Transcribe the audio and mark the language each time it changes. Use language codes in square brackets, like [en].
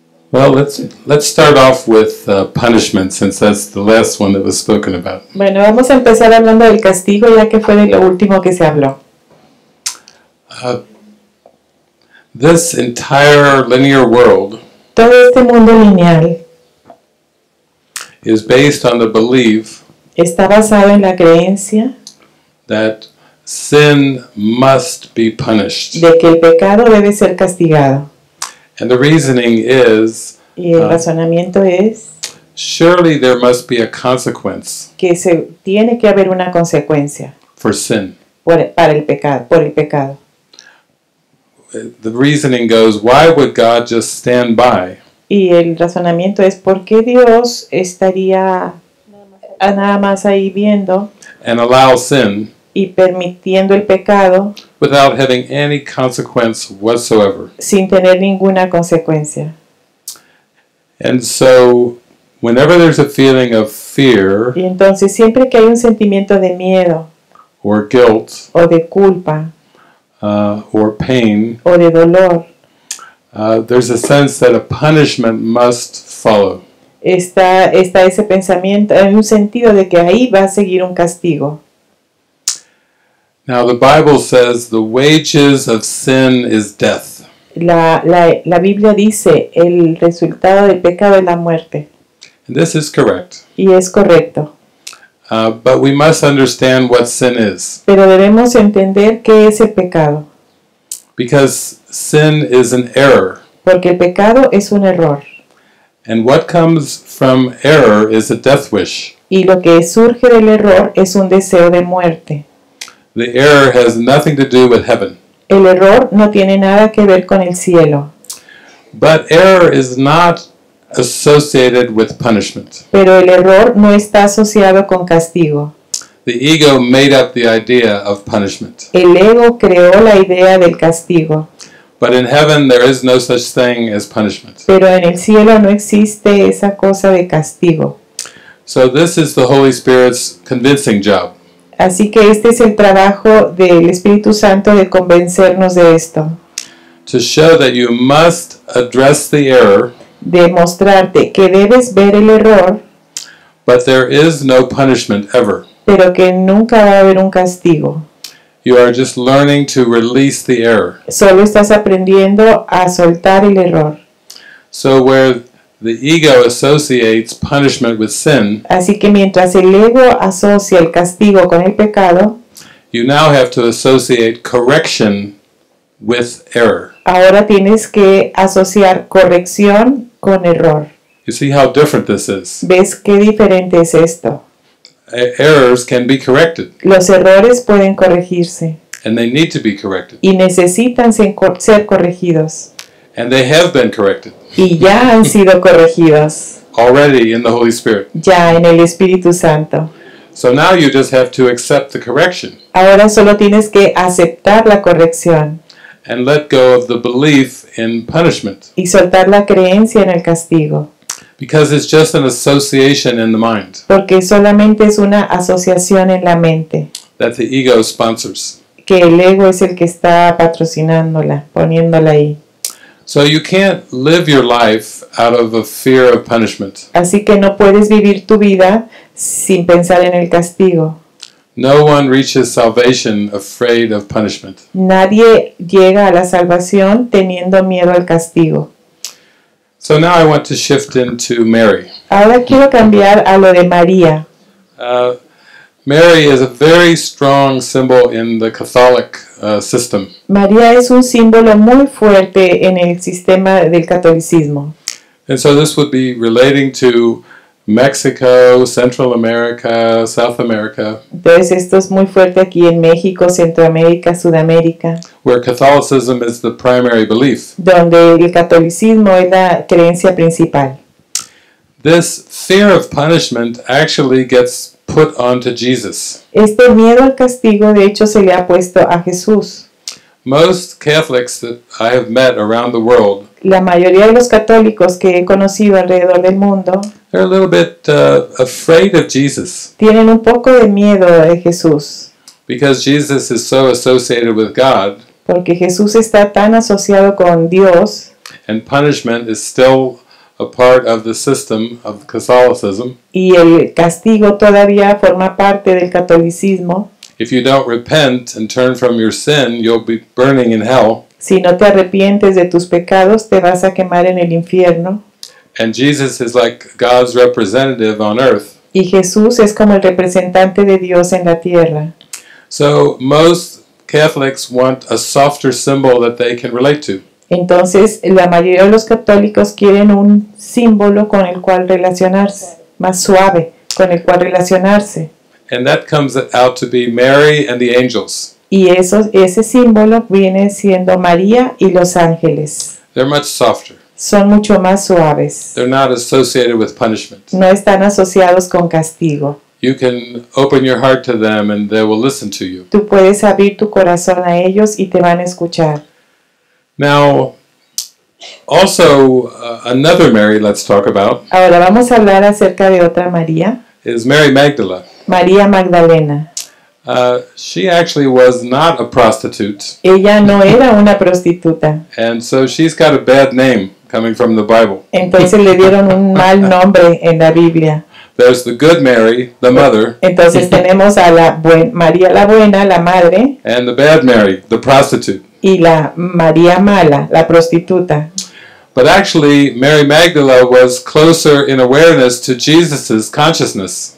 [en] Well, let's start off with punishment, since that's the last one that was spoken about. [es] Bueno, vamos a empezar hablando del castigo, ya que fue de lo último que se habló. [en] This entire linear world, [es] todo este mundo lineal, [en] is based on the belief, [es] está basado en la creencia, [en] that sin must be punished, [es] de que el pecado debe ser castigado. [en] And the reasoning is, [es] y el razonamiento es, [en] surely there must be a consequence, [es] que se tiene que haber una consecuencia, [en] for sin, [es] por el pecado. [en] The reasoning goes, why would God just stand by? [es] Y el razonamiento es, ¿por qué Dios estaría nada más ahí viendo? [en] And allow sin, [es] y permitiendo el pecado, [en] without having any consequence whatsoever. [es] Sin tener ninguna consecuencia. [en] And so, whenever there's a feeling of fear, [es] y entonces siempre que hay un sentimiento de miedo, [en] or guilt, [es] o de culpa, [en] or pain, [es] o de dolor, [en] there's a sense that a punishment must follow. [es] Está ese pensamiento, hay un sentido de que ahí va a seguir un castigo. [en] Now the Bible says the wages of sin is death. [es] La Biblia dice el resultado del pecado es la muerte. [en] And this is correct. [es] Y es correcto. [en] But we must understand what sin is. [es] Pero debemos entender qué es el pecado. [en] Because sin is an error. [es] Porque el pecado es un error. [en] And what comes from error is a death wish. [es] Y lo que surge del error es un deseo de muerte. [en] The error has nothing to do with heaven. [es] El error no tiene nada que ver con el cielo. [en] But error is not associated with punishment. [es] Pero el error no está asociado con castigo. [en] The ego made up the idea of punishment. [es] El ego creó la idea del castigo. [en] But in heaven there is no such thing as punishment. [es] Pero en el cielo no existe esa cosa de castigo. [en] So this is the Holy Spirit's convincing job. [es] Así que este es el trabajo del Espíritu Santo de convencernos de esto. [en] To show that you must address the error, [es] de mostrarte que debes ver el error, [en] but there is no punishment ever. [es] Pero que nunca va a haber un castigo. [en] You are just learning to release the error. [es] Solo estás aprendiendo a soltar el error. [en] So where the ego associates punishment with sin. [es] Así que mientras el ego asocia el castigo con el pecado, [en] you now have to associate correction with error. [es] Ahora tienes que asociar corrección con error. [en] You see how different this is. [es] ¿Ves qué diferente es esto? [en] Errors can be corrected. [es] Los errores pueden corregirse. [en] And they need to be corrected. [es] Y necesitan ser corregidos. [en] And they have been corrected. [es] Y ya han sido corregidos. [en] Already in the Holy Spirit. [es] Ya en el Espíritu Santo. [en] So now you just have to accept the correction. [es] Ahora solo tienes que aceptar la corrección. [en] And let go of the belief in punishment. [es] Y soltar la creencia en el castigo. [en] Because it's just an association in the mind. [es] Porque solamente es una asociación en la mente. [en] That the ego sponsors. [es] Que el ego es el que está patrocinándola, poniéndola ahí. [en] So you can't live your life out of a fear of punishment. [es] Así que no puedes vivir tu vida sin pensar en el castigo. [en] No one reaches salvation afraid of punishment. [es] Nadie llega a la salvación teniendo miedo al castigo. [en] So now I want to shift into Mary. [es] Ahora quiero cambiar a lo de María. [en] Mary is a very strong symbol in the Catholic system. [es] María es un símbolo muy fuerte en el sistema del catolicismo. [en] And so this would be relating to Mexico, Central America, South America. [es] Entonces esto es muy fuerte aquí en México, Centroamérica, Sudamérica. [en] Where Catholicism is the primary belief. [es] Donde el catolicismo es la creencia principal. [en] This fear of punishment actually gets put onto Jesus. [es] Este miedo al castigo, de hecho, se le ha puesto a Jesús. [en] Most Catholics that I have met around the world. [es] La mayoría de los católicos que he conocido alrededor del mundo. [en] They're a little bit afraid of Jesus. [es] Tienen un poco de miedo de Jesús. [en] Because Jesus is so associated with God. [es] Porque Jesús está tan asociado con Dios. [en] and punishment is still a part of the system of Catholicism. [es] Y el castigo todavía forma parte del catolicismo. [en] If you don't repent and turn from your sin, you'll be burning in hell. [es] Si no te arrepientes de tus pecados, te vas a quemar en el infierno. [en] And Jesus is like God's representative on earth. [es] Y Jesús es como el representante de Dios en la tierra. [en] So most Catholics want a softer symbol that they can relate to. [es] Entonces, la mayoría de los católicos quieren un símbolo con el cual relacionarse, más suave, con el cual relacionarse. [en] And that comes out to be Mary and the angels. [es] Y eso, ese símbolo viene siendo María y los ángeles. [en] They're much softer. [es] Son mucho más suaves. [en] They're not associated with punishment. [es] No están asociados con castigo. [en] You can open your heart to them and they will listen to you. [es] Tú puedes abrir tu corazón a ellos y te van a escuchar. [en] Now, also another Mary let's talk about. [es] Ahora vamos a hablar acerca de otra María. [en] Is Mary Magdalene. [es] María Magdalena. [en] She actually was not a prostitute. [es] Ella no era una prostituta. [en] And so she's got a bad name coming from the Bible. [es] Entonces le dieron un mal nombre en la Biblia. [en] There's the good Mary, the mother. [es] Entonces tenemos a la María la buena, la madre. [en] And the bad Mary, the prostitute. [es] Y la María mala, la prostituta. [en] But actually, Mary Magdala was closer in awareness to Jesus' consciousness.